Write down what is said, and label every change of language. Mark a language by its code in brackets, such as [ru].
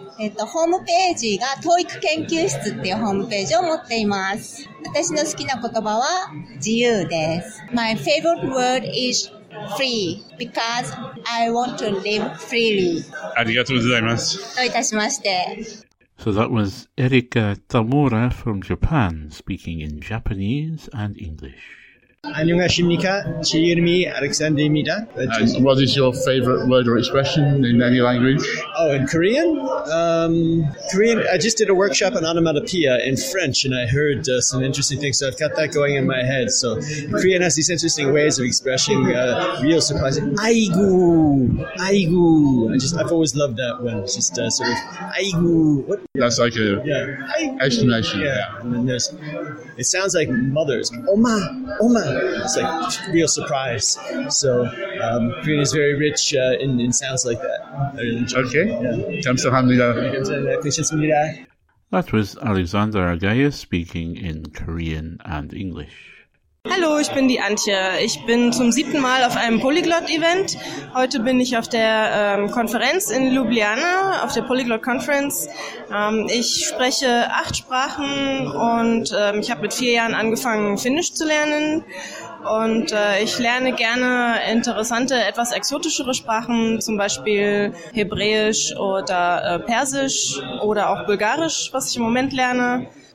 [ja] ホームページが TOEIC 研究室っていうホームページを持っています。私の好きな言葉は自由です。 [en] My favorite word is free because I want to live freely. [ja] ありがとうございます。どういたしまして。 [en] So that was Erika Tamura from Japan speaking in Japanese and English. [ko] 안녕하십니까? 제 이름이 알렉산더입니다. [en] And what is your favorite word or expression in any language? Oh, in Korean? I just did a workshop on onomatopoeia in French, and I heard some interesting things, so I've got that going in my head. So Korean has these interesting ways of expressing real surprising. Aigu! Aigu! I've always loved that one. It's just sort of, aigu! That's like an exclamation. Yeah. It sounds like mothers. Oma! Oma! It's like real surprise. So Korean is very rich in sounds like that. Okay. [ko] Kamsahamnida. [en] That was Alexander Agaya speaking in Korean and English. [de] Hallo, ich bin die Antje. Ich bin zum 7. Mal auf einem Polyglot-Event. Heute bin ich auf der Konferenz in Ljubljana, auf der Polyglot Conference. Ich spreche 8 Sprachen und ich habe mit 4 Jahren angefangen, Finnisch zu lernen. Und ich lerne gerne interessante, etwas exotischere Sprachen, zum Beispiel Hebräisch oder Persisch oder auch Bulgarisch, was ich im Moment lerne.